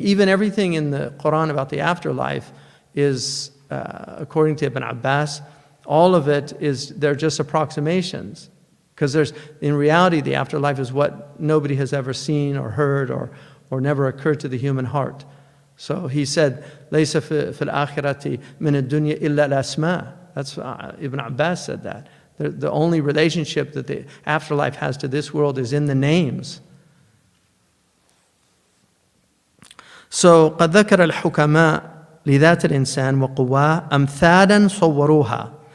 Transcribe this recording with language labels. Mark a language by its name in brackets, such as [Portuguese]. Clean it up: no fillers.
[English] Even everything in the Qur'an about the afterlife is, according to Ibn Abbas, all of it is, they're just approximations. Because there's, in reality, the afterlife is what nobody has ever seen or heard or never occurred to the human heart. So he said, [Arabic] لَيْسَ فِي الْآخِرَةِ مِنَ الدُّنْيَا إِلَّا الْأَسْمَاءِ. [English] That's Ibn Abbas said that. The only relationship that the afterlife has to this world is in the names. [Arabic] So قَدْ ذَكَرَ الْحُكَمَاءِ لِذَاتِ الْإِنسَانِ وَقُوَاهِ أَمْثَادًا صَوَّرُوهَا.